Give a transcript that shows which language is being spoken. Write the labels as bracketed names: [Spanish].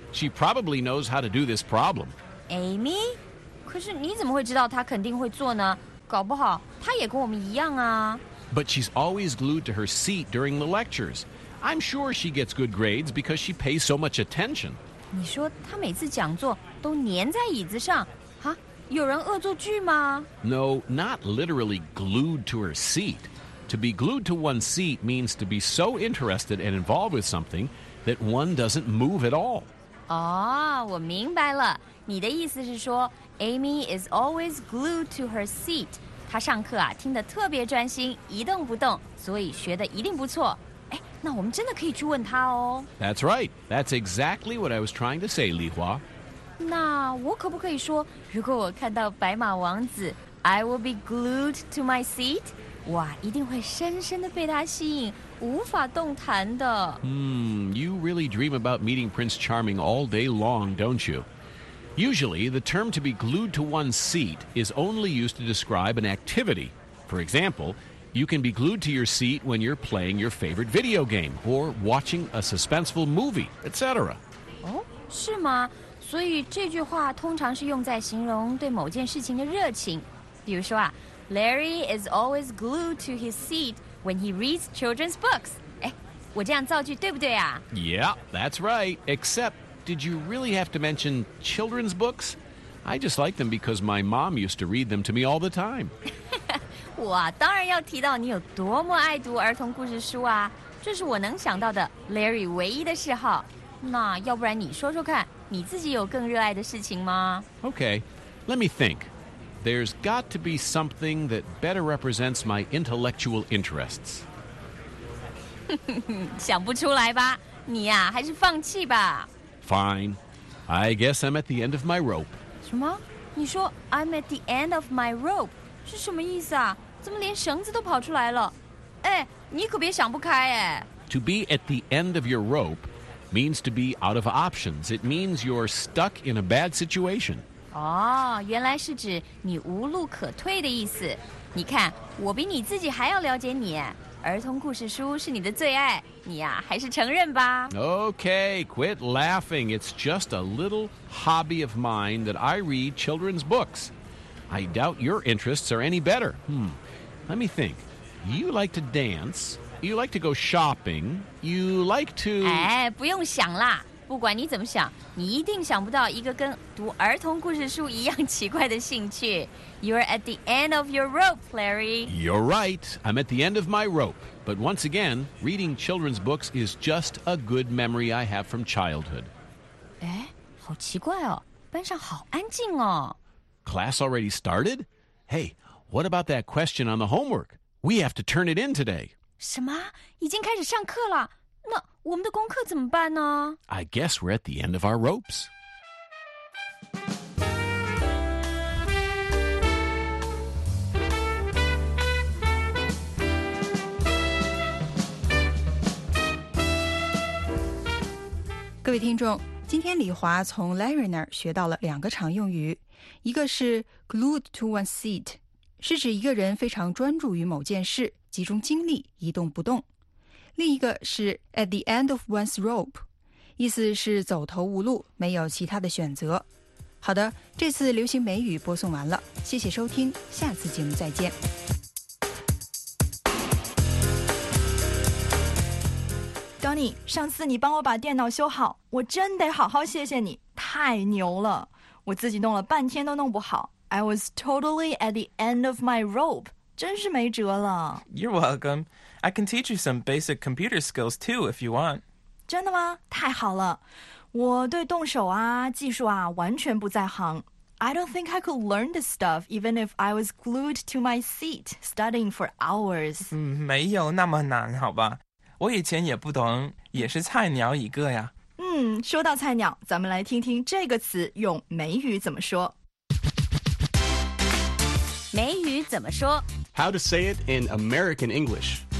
[English] She probably knows how to do this problem. Amy? [Chinese] 可是你怎么会知道她肯定会做呢？搞不好她也跟我们一样啊。 [English] But she's always glued to her seat during the lectures. I'm sure she gets good grades because she pays so much attention. [Chinese] 你说她每次讲座都粘在椅子上，啊？有人恶作剧吗？ [English] No, not literally glued to her seat. To be glued to one's seat means to be so interested and involved with something that one doesn't move at all. [Chinese] 哦，我明白了。你的意思是说 [English] Amy is always glued to her seat. [Chinese] 他上课啊，听得特别专心，一动不动，所以学得一定不错。哎，那我们真的可以去问他哦。 [English] That's right. That's exactly what I was trying to say, 李华。 [Chinese] 那我可不可以说，如果我看到白马王子 ， [English] I will be glued to my seat， [Chinese] 哇，一定会深深地被他吸引，无法动弹的。 [English] You really dream about meeting Prince Charming all day long, don't you? Usually, the term to be glued to one's seat is only used to describe an activity. For example, you can be glued to your seat when you're playing your favorite video game or watching a suspenseful movie, etc. [Chinese] 哦，是吗？所以这句话通常是用在形容对某件事情的热情。比如说啊， [English] Larry is always glued to his seat when he reads children's books. [Chinese] 哎，我这样造句对不对啊？ [English] Yeah, that's right, except...Did you really have to mention children's books? I just like them because my mom used to read them to me all the time. [Chinese] 我当然要提到你有多么爱读儿童故事书啊，这是我能想到的 Larry 唯一的嗜好。那要不然你说说看，你自己有更热爱的事情吗？ [English] Okay, let me think. There's got to be something that better represents my intellectual interests. [Chinese] 想不出来吧？你呀，还是放弃吧。 [English] Fine. I guess I'm at the end of my rope. [Chinese] 什么？你说 [English] I'm at the end of my rope [Chinese] 是什么意思啊？怎么连绳子都跑出来了？哎，你可别想不开哎。 [English] To be at the end of your rope means to be out of options. It means you're stuck in a bad situation. [Chinese] 哦，原来是指你无路可退的意思。你看，我比你自己还要了解你。儿童故事书是你的最爱，你呀，还是承认吧。 [English] Okay, quit laughing. It's just a little hobby of mine that I read children's books. I doubt your interests are any better. Let me think. You like to dance. You like to go shopping. You like to... [Chinese] 哎，不用想啦。不管你怎么想，你一定想不到一个跟读儿童故事书一样奇怪的兴趣。 [English] You're at the end of your rope, Larry. You're right. I'm at the end of my rope. But once again, reading children's books is just a good memory I have from childhood. [Chinese] 哎，好奇怪哦，班上好安静哦。 [English] Class already started? Hey, what about that question on the homework? We have to turn it in today. [Chinese] 什么？已经开始上课了？那我们的功课怎么办呢？ [English] I guess we're at the end of our ropes. [Chinese] 各位听众，今天李华从 Larry 那儿学到了两个常用语，一个是 [English] glued to one's seat， [Chinese] 是指一个人非常专注于某件事，集中精力，一动不动。另一个是 [English] at the end of one's rope， [Chinese] 意思是走投无路，没有其他的选择。好的，这次流行美语播送完了，谢谢收听，下次节目再见。 Donny， 上次你帮我把电脑修好，我真得好好谢谢你，太牛了，我自己弄了半天都弄不好。 [English] I was totally at the end of my rope， [Chinese] 真是没辙了。 [English] You're welcome. I can teach you some basic computer skills, too, if you want. [Chinese] 真的吗？太好了。我对动手啊，技术啊，完全不在行。 [English] I don't think I could learn this stuff even if I was glued to my seat, studying for hours. [Chinese] 没有那么难，好吧。我以前也不懂，也是菜鸟一个呀。说到菜鸟，咱们来听听这个词用美语怎么说。美语怎么说？ [English] How to say it in American English.